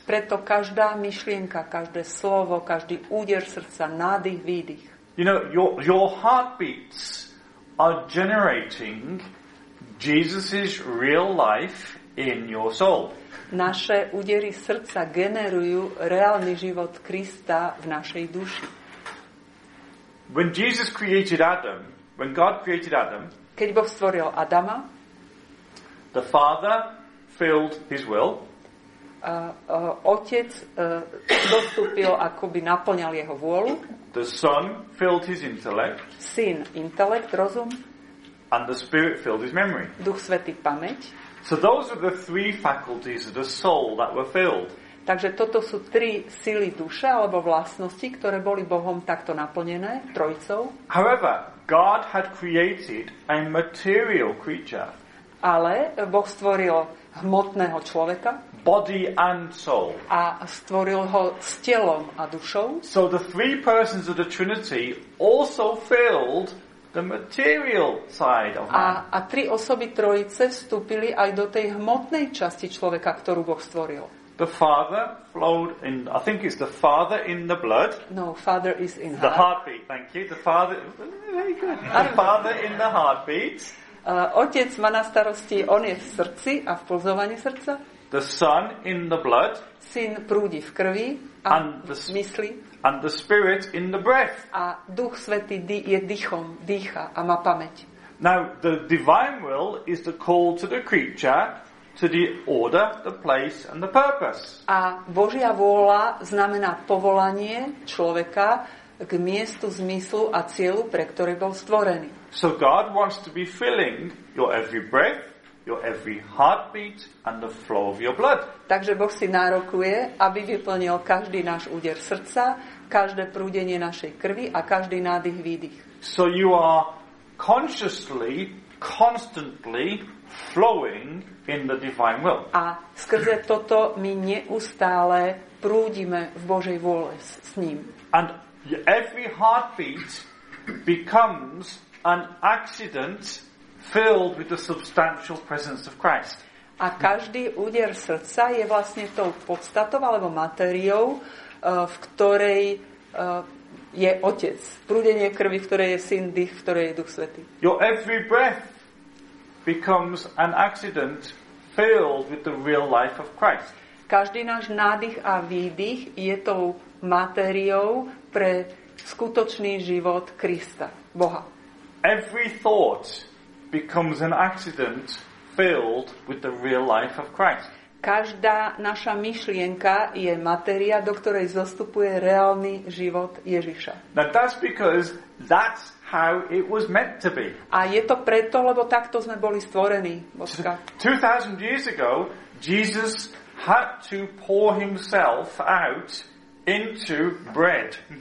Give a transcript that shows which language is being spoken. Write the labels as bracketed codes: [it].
[sk] Preto každá myšlienka, každé slovo, každý úder srdca, nádych, výdych. [en] You know, your heartbeats are generating Jesus's real life in your soul. [sk] Naše údery srdca generujú reálny život Krista v našej duši. [en] When Jesus created Adam, when God created Adam, [sk] keď Boh stvoril Adama, [en] the Father filled his will. [sk] Otec dostúpil, akoby naplňal jeho vôľu. [en] The Son filled his intellect. [sk] Syn, intelekt, rozum. [en] And the Spirit filled his memory. [sk] Duch Svätý, pamäť. [en] So those are the three faculties of the soul that were filled. [sk] Takže toto sú tri sily duše alebo vlastnosti, ktoré boli Bohom takto naplnené, trojicou. [en] However, God had created a material creature. [sk] Ale Boh stvoril hmotného človeka. [en] Body and soul. [sk] A stvoril ho s telom a dušou. [en] So the three persons of the Trinity also filled the material side of man. [sk] A tri osoby trojice vstúpili aj do tej hmotnej časti človeka, ktorú Boh stvoril. [en] The Father flowed in, I think it's the Father in the blood. No, Father is in the heartbeat. Thank you. The Father, very good. The Father in the heartbeat. [sk] Otec má na starosti, on je v srdci a v pulzovaní srdca. [en] The Son in the blood. [sk] Syn prúdi v krvi a v mysli. [en] And the Spirit in the breath. [sk] A Duch Svätý je dýchom, dýcha a má pamäť. [en] Now, the divine will is the call to the creature to the order, the place and the purpose. [sk] A Božia vôľa znamená povolanie človeka k miestu, zmyslu a cieľu, pre ktoré bol stvorený. [en] So God wants to be filling your every breath, your every heartbeat and the flow of your blood. [sk] Takže Boh si nárokuje, aby vyplnil každý náš úder srdca, každé prúdenie našej krvi a každý nádych, výdych. [en] So you are consciously, constantly flowing in the divine will. [sk] A skrze toto my neustále prúdime v Božej vôle s ním. [en] And every heartbeat becomes an accident filled with the substantial presence of Christ. [sk] A každý úder srdca je vlastne tou podstatou alebo materiou, v ktorej je Otec. Prúdenie krvi, v ktorej je Syn, dých, v ktorej je Duch Svätý. [en] Your every breath becomes an accident filled with the real life of Christ. [sk] Každý náš nádych a výdych je tou materiou pre skutočný život Krista, Boha. [en] Every thought becomes an accident filled with the real life of Christ. [sk] Každá naša myšlienka je materia, do ktorej zostupuje reálny život Ježiša. [en] Now that's because that's how it was meant to be. [sk] A je to preto, lebo takto sme boli stvorení, Božka. [en] 2000 years ago, Jesus had to pour himself out into bread.